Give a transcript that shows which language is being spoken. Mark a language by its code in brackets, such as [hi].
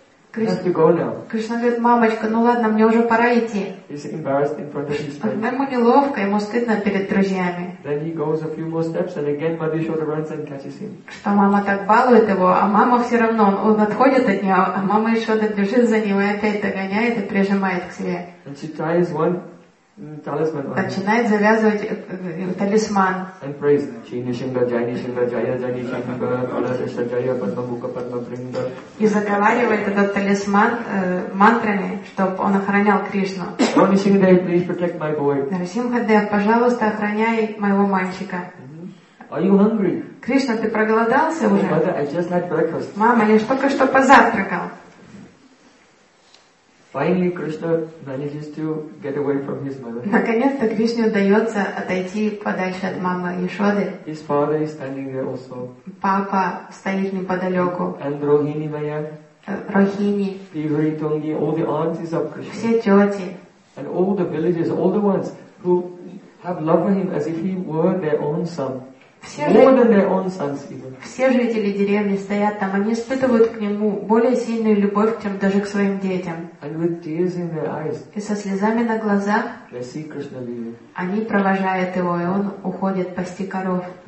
[ru] Кришна говорит, мамочка, ну ладно, мне уже пора идти. [en] He's embarrassed in front of his friends. [ru] Ему неловко, ему стыдно перед друзьями. [en] Then he goes a few more steps, and again Mother Yashoda runs and catches him. [ru] Что мама так балует его, а мама все равно, он отходит от нее, а мама Yashoda бежит за ним и опять догоняет и прижимает к себе. [en] And she ties one. [ru] Начинает завязывать талисман. [en] And praise Chini Shinda Jaini Shinda Jaya Jaini Shinda Kala Shinda Jaya Padma Bhuka Padma Pringa. [ru] И заговаривает этот талисман мантрами, чтобы он охранял Кришну. [en] Narasimhadev, please protect my boy. [ru] Narasimhadev, пожалуйста, охраняй моего мальчика. [en] Are you hungry? [ru] Кришна, ты проголодался уже? [en] Mother, I just had breakfast. [ru] Мама, я только что позавтракал. [en] Finally, Krishna manages to get away from his mother. [ru] Наконец-то Кришне удается отойти подальше от мамы Яшоды. [en] His father is standing there also. [ru] Папа стоит неподалеку. [en] And Rohini Maya. [ru] Rohini. [en] Pivari Tungi, all the aunties of Krishna. [ru] Все тети. [en] And all the villagers, all the ones who have loved him as if he were their own son. [ru] Все жители деревни стоят там, они испытывают к нему более сильную любовь, чем даже к своим детям. И со слезами на глазах они провожают его, и он уходит пасти коров.